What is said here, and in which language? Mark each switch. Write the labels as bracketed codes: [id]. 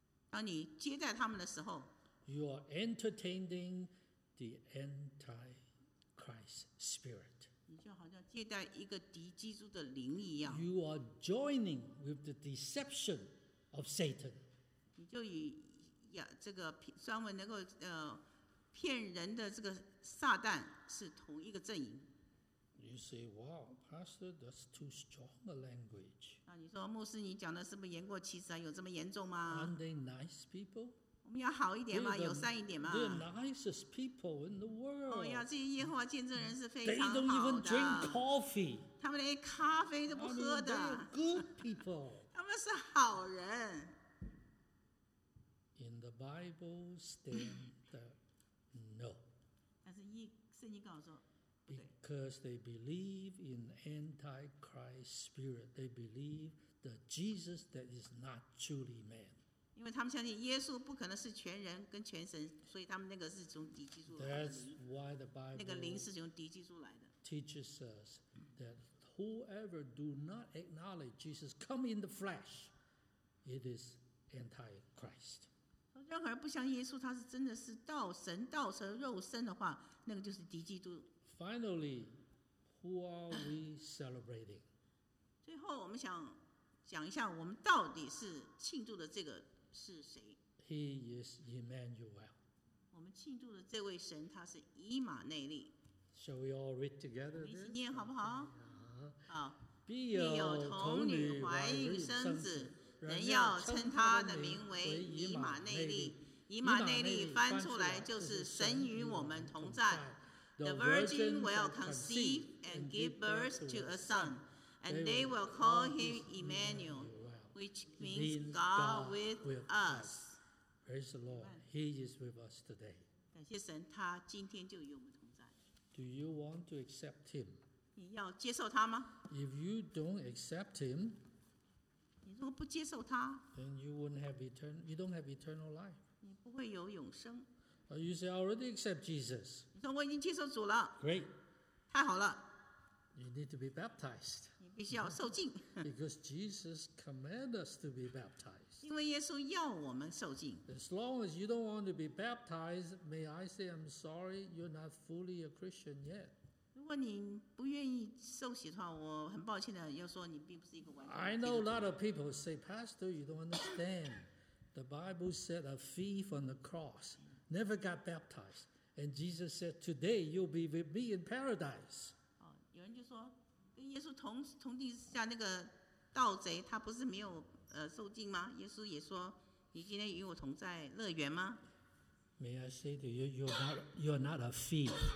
[zh] 当你接待他们的时候。 [en] You are entertaining the Antichrist spirit. [zh] 你就好像接待一个敌基督的灵一样。 [en] You are joining with the deception of Satan. [zh] 你就与这个专门能够骗人的这个撒旦是同一个阵营。 [en] You say, "Wow, Pastor, that's too strong a language." [zh] 那你说牧师，你讲的是不是言过其实啊？有这么严重吗 [en] ？Aren't they nice people? [zh] 我们要好一点吗？友善一点吗 [en] ？The nicest people in the world. [zh] 哦呀，这些耶和华见证人是非常好的。 [en] They don't even drink coffee. [zh] 他们连咖啡都不喝的。 [en] Good people. [zh] 他们是好人。 [en] In the Bible, stand no. [zh] 但是圣经告诉我说。 [en] Because they believe in Antichrist spirit, they believe the Jesus that is not truly man. [zh] 因为他们相信耶稣不可能是全人跟全神，所以他们那个是从敌基督来的灵。 [en] That's why the Bible [zh] 那个灵是从敌基督来的。 [en] teaches us that whoever do not acknowledge Jesus come in the flesh, it is Antichrist. [zh] 任何人不相信耶稣，他是真的是道神道成肉身的话，那个就是敌基督。 [en] Finally, who are we celebrating? [zh] 最后，我们想讲一下，我们到底是庆祝的这个是谁 [en] ？He is Emmanuel. [zh] 我们庆祝的这位神，他是以马内利。 [en] Shall we all read together? [zh] 我们一起念好不好？ [en] Okay. [zh] 必有童女怀孕生子。人要称他的名为以马内利，以马内利翻出来就是神与我们同在。 [en] The virgin will conceive and give birth to a son, and they will call him Emmanuel, which means God with us. Praise the Lord, He is with us today. [zh] 感谢神，他今天就与我们同在。 [en] Do you want to accept Him? [zh] 你要接受他吗？ [en] If you don't accept Him, [zh] 如果不接受他， [en] then you wouldn't have eternal, you don't have eternal life. [zh] 你不会有永生。 [en] You say, I already accept Jesus. [zh] 你说我已经接受主了。 [en] Great. [zh] 太好了。 [en] You need to be baptized. [zh] 你必须要受浸。 [en] Because Jesus commanded us to be baptized. [zh] 因为耶稣要我们受浸。 [en] As long as you don't want to be baptized, may I say I'm sorry, you're not fully a Christian yet. [zh] 如果你不愿意受洗的话，我很抱歉的要说，你并不是一个完全基督徒。 [en] I know a lot of people say, Pastor, you don't understand. The Bible said a thief on the cross never got baptized, and Jesus said, "Today you'll be with me in paradise." [zh] 有人就说，跟耶稣同钉十字架那个盗贼，他不是没有受浸吗？耶稣也说，你今天与我同在乐园吗 [en] ？May I say to you, you're not a thief.